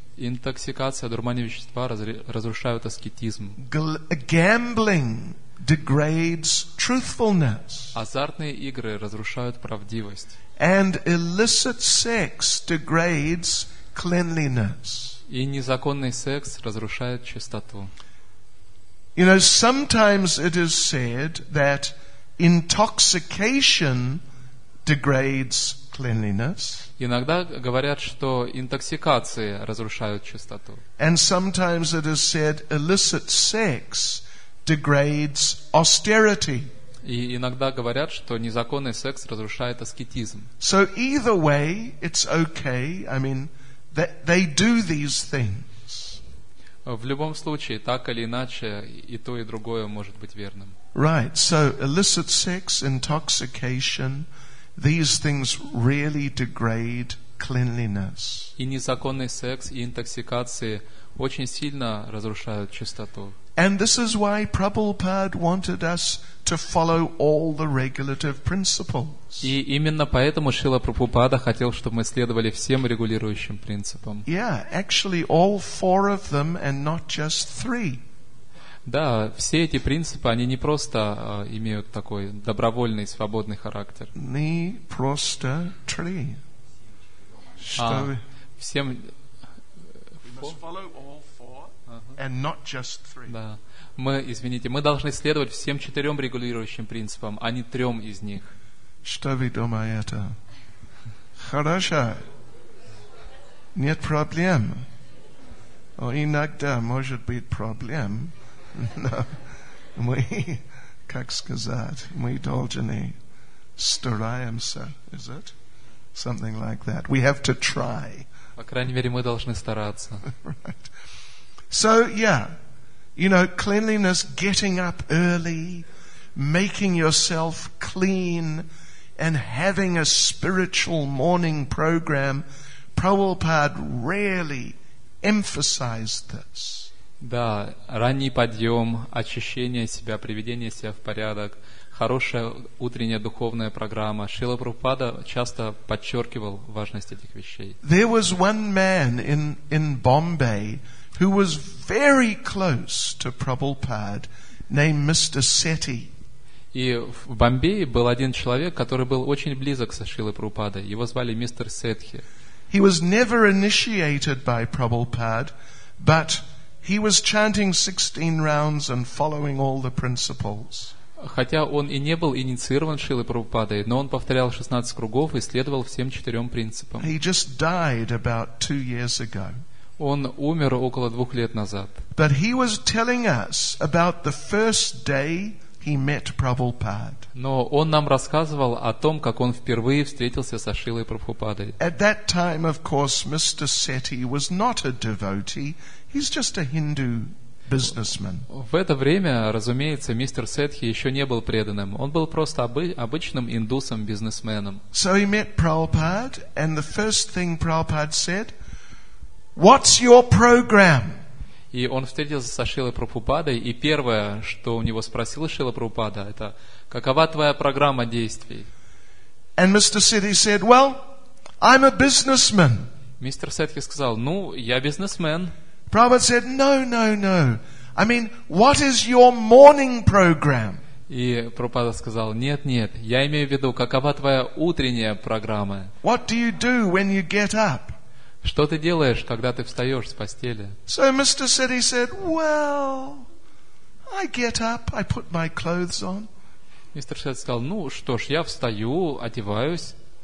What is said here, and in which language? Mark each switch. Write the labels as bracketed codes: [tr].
[ru] Интоксикация, дурманные вещества разрушают аскетизм. [en] Gambling degrades truthfulness. [ru] Азартные игры разрушают правдивость. [en] And illicit sex degrades cleanliness. [ru] И незаконный секс разрушает чистоту. [en] You know, sometimes it is said that intoxication degrades cleanliness. [ru] Иногда говорят, что интоксикации разрушают чистоту. [en] And sometimes it is said illicit sex degrades austerity. [ru] И иногда говорят, что незаконный секс разрушает аскетизм. [en] So either way, it's okay. I mean, they do these things. [ru] В любом случае, так или иначе, и то, и другое может быть верным. [en] Right, so illicit sex, intoxication, these things really degrade cleanliness. [ru] И незаконный секс, и интоксикации очень сильно разрушают чистоту. [en] And this is why Prabhupada wanted us to follow all the regulative principles. [ru] И именно поэтому Шрила Прабхупада хотел, чтобы мы следовали всем регулирующим принципам. [en] Yeah, actually all four of them and not just three. [ru] Да, все эти принципы, они не просто имеют такой добровольный, свободный характер. Не просто три. А, всем... [en] And not just three. [ru] Да. Мы, извините, мы должны следовать всем четырем регулирующим принципам, а не трем из них. Что вы думаете? Хорошо. Нет проблем. Но иногда может быть проблем. Но мы, как сказать, мы должны стараемся. [en] Is it? Something like that. We have to try. [ru] По крайней мере, мы должны стараться. [en] Right. So, yeah, you know, cleanliness, getting up early, making yourself clean, and having a spiritual morning program, Prabhupada really emphasized this. [ru] Да, ранний подъем, очищение себя, приведение себя в порядок, хорошая утренняя духовная программа. Шрила Прабхупада часто подчеркивал важность этих вещей. [en] There was one man in Bombay who was very close to Prabhupada, named Mr. Setty. [ru] И в Бомбее был один человек, который был очень близок со Шрилой Прабхупадой. Его звали мистер Сетхи. [en] He was never initiated by Prabhupada, but he was chanting 16 rounds and following all the principles. [ru] Хотя он и не был инициирован Шрилой Прабхупадой, но он повторял 16 кругов и следовал всем четырем принципам. [en] He just died about 2 years ago. [ru] Он умер около 2 лет назад. [en] But he was telling us about the first day he met Prabhupada. [ru] Но он нам рассказывал о том, как он впервые встретился со Шрилой Прабхупадой. [en] At that time, of course, Mr. Setty was not a devotee. He's just a Hindu. [ru] В это время, разумеется, мистер Сетхи еще не был преданным. Он был просто обычным индусом-бизнесменом. [en] So he met Prabhupada, and the first thing Prabhupada said, "What's your program?" [ru] И он встретился со Шрилой Прабхупадой, и первое, что у него спросил Шрила Прабхупада, это какова твоя программа действий? [en] And Mr. Sethi said, "Well, I'm a businessman." [ru] Мистер Сетхи сказал, ну, я бизнесмен. [en] Prabhupada said, no. I mean, what is your morning program? [ru] И Прабхупада сказал, нет, я имею в виду, какова твоя утренняя программа? [en] What do you do when you get up? [ru] Что ты делаешь, когда ты встаешь с постели? [en] So Mr. Sethi said, well, I get up, I put my clothes on. [ru] Мистер Сетхи сказал, ну что ж, я встаю, одеваюсь.